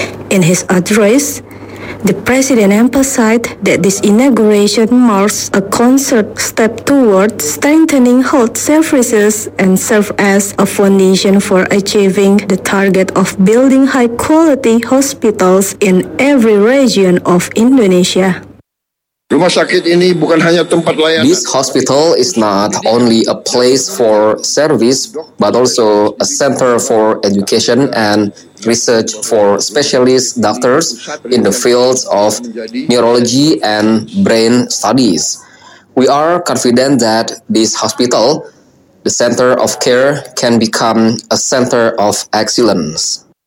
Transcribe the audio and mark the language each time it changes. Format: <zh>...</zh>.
<en>In his address, the president emphasized that this inauguration marks a concerted step toward strengthening health services and serves as a foundation for achieving the target of building high-quality hospitals in every region of Indonesia.</en> <id>Rumah sakit ini bukan hanya tempat layanan.</id> <en>This hospital is not only a place for service, but also a center for education and research for specialist doctors in the fields of neurology and brain studies. We are confident that this hospital, the center of care, can become a center of excellence.</en>